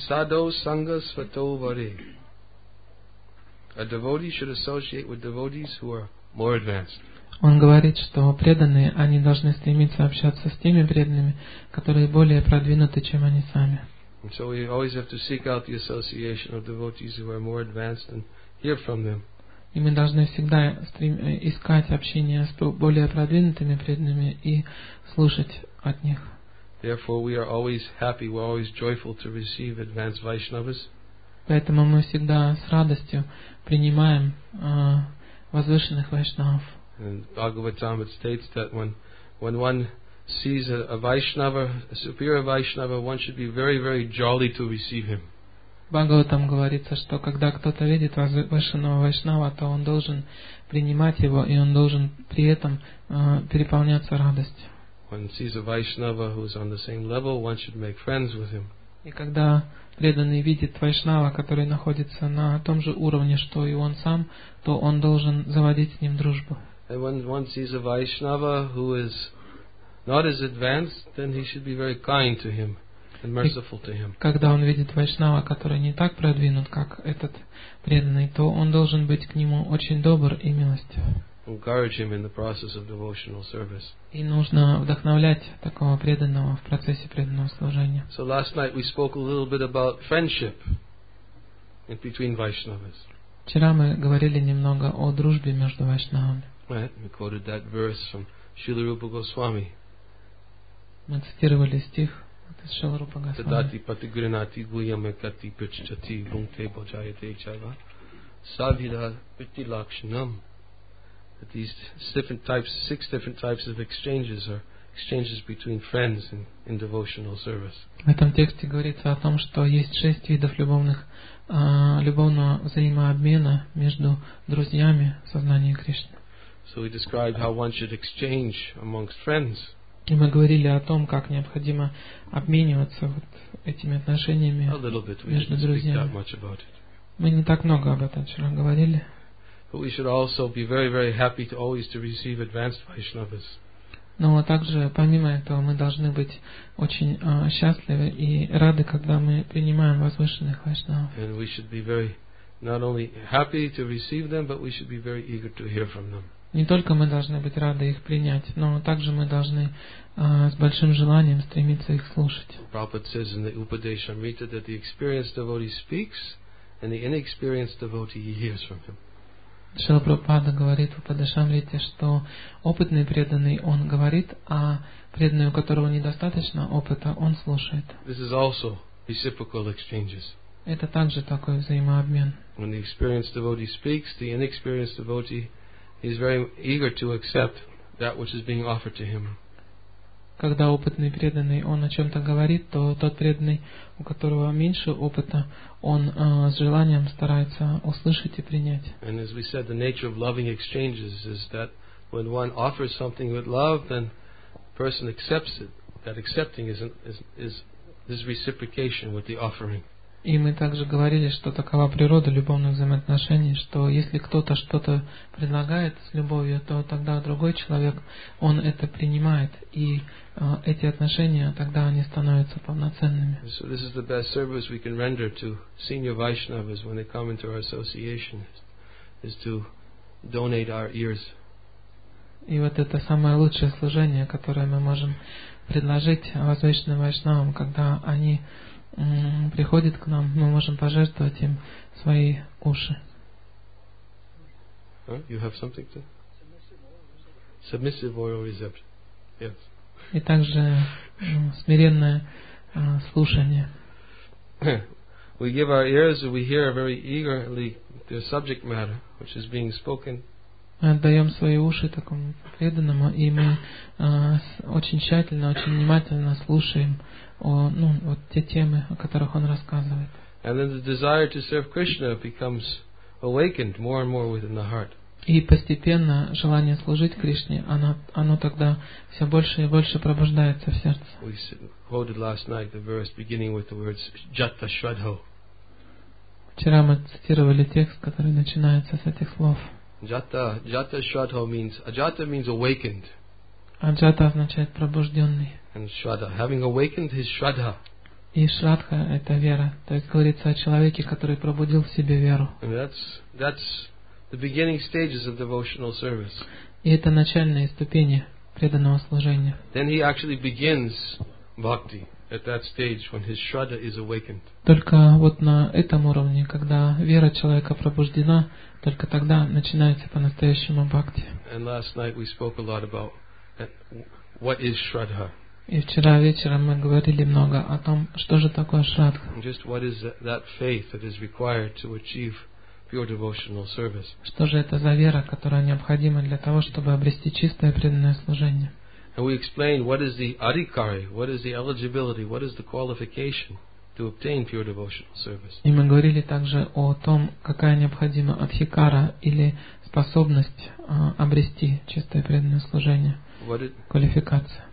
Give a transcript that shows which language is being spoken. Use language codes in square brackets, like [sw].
[sa] Садо санга свято вари. [en] A devotee should associate with devotees who are more advanced. [ru] Он говорит, что преданные, они должны стремиться общаться с теми преданными, которые более продвинуты, чем они сами. [en] And so we always have to seek out the association of devotees who are more advanced and hear from them. [ru] И мы должны всегда искать общение с более продвинутыми преданными и слушать от них. [en] Therefore, we are always happy, we are always joyful to receive advanced Vaishnavas. [ru] Поэтому мы всегда с радостью принимаем возвышенных вайшнавов. [en] In Bhagavatam it states that when one sees a Vaishnava, a superior Vaishnava, one should be very, very jolly to receive him. [ru] Бхагаватам говорится, что когда кто-то видит возвышенного вайшнава, то он должен принимать его, и он должен при этом переполняться радостью. [en] When one sees a Vaishnava who is on the same level, one should make friends with him. [ru] И когда преданный видит вайшнава, который находится на том же уровне, что и он сам, то он должен заводить с ним дружбу. [en] And when one sees a Vaishnava who is not as advanced, then he should be very kind to him and merciful to him. [ru] Когда он видит вайшнава, который не так продвинут, как этот преданный, то он должен быть к нему очень добр и милостив. [en] Encourage him in the process of devotional service. [ru] И нужно вдохновлять такого преданного в процессе преданного служения. [en] So last night we spoke a little bit about friendship between Vaishnavas. [ru] Вчера мы говорили немного о дружбе между вайшнавами. [en] Right, we quoted that verse from Srila Rupa Goswami. [ru] Мы цитировали стих из Шрилы Рупа Госвами. [sa] Тадати патигринати гуяме кати пиччати бунте боджаяте чайва савида пити лакшнам. [en] That these different types, six different types of exchanges are exchanges between friends in devotional service. [ru] В этом тексте говорится о том, что есть шесть видов любовного взаимообмена между друзьями в сознании Кришны. [en] So we described how one should exchange amongst friends. [ru] И мы говорили о том, как необходимо обмениваться вот этими отношениями между друзьями. [en] A little bit, we didn't speak that much about it. [ru] Мы не так много об этом вчера говорили. [en] But we should also be very, very happy to always to receive advanced Vaishnavas. [ru] Но также, помимо этого, мы должны быть очень счастливы и рады, когда мы принимаем возвышенных вайшнавов. [en] And we should be very not only happy to receive them, but we should be very eager to hear from them. [ru] Не только мы должны быть рады их принять, но также мы должны с большим желанием стремиться их слушать. [en] Prabhupada says in the Upadeshamrita that the experienced devotee speaks and the inexperienced devotee hears from him. [ru] Шрила Прабхупада говорит в Упадешамрите, что опытный преданный, он говорит, а преданный, у которого недостаточно опыта, он слушает. [en] This is also reciprocal exchanges. [ru] Это также такой взаимообмен. [en] When the experienced devotee speaks, the inexperienced devotee is very eager to accept that which is being offered to him. [ru] Когда опытный преданный, он о чем-то говорит, то тот преданный, у которого меньше опыта, он с желанием старается услышать и принять. [en] And as we said, the nature of loving exchanges is that when one offers something with love, then the person accepts it. That accepting is reciprocation with the offering. [ru] И мы также говорили, что такова природа любовных взаимоотношений, что если кто-то что-то предлагает с любовью, то тогда другой человек, он это принимает, и эти отношения, тогда они становятся полноценными. [en] So this is the best service we can render to senior Vaishnavas when they come into our association, is to donate our ears. [ru] И вот это самое лучшее служение, которое мы можем предложить возвышенным вайшнавам, когда они приходит к нам, мы можем пожертвовать им свои уши. [en] You have something to... Submissive oral reception. Yes. [ru] И также смиренное слушание. [en] We give our ears and we hear very eagerly the subject matter which is being spoken. [ru] Мы отдаем свои уши такому преданному, и мы очень тщательно, очень внимательно слушаем вот те темы, о которых он рассказывает. [en] And then the desire to serve Krishna becomes awakened more and more within the heart. [ru] И постепенно желание служить Кришне, оно тогда все больше и больше пробуждается в сердце. [en] We quoted last night the verse beginning with the words Jata Shraddho. [ru] Вчера мы цитировали текст, который начинается с этих слов. [en] Jata Shraddho means Ajata means awakened. [ru] Аджата означает пробужденный. [en] And Shraddha, having awakened his Shraddha. [ru] И Shraddha – это вера. То есть говорится о человеке, который пробудил в себе веру. [en] And that's the beginning stages of devotional service. [ru] И это начальные ступени преданного служения. [en] Then he actually begins bhakti at that stage when his Shraddha is awakened. [ru] Только вот на этом уровне, когда вера человека пробуждена, только тогда начинается по-настоящему бхакти. [en] And last night we spoke a lot about what is Shraddha. [ru] И вчера вечером мы говорили много о том, что же такое Shraddha. [en] Just what is that faith that is required to achieve pure devotional service. [ru] Что же это за вера, которая необходима для того, чтобы обрести чистое преданное служение. [en] And we explained what is the adhikari, what is the eligibility, what is the qualification to obtain pure devotional service. [ru] И мы говорили также о том, какая необходима адхикара или способность обрести чистое преданное служение. Квалификация.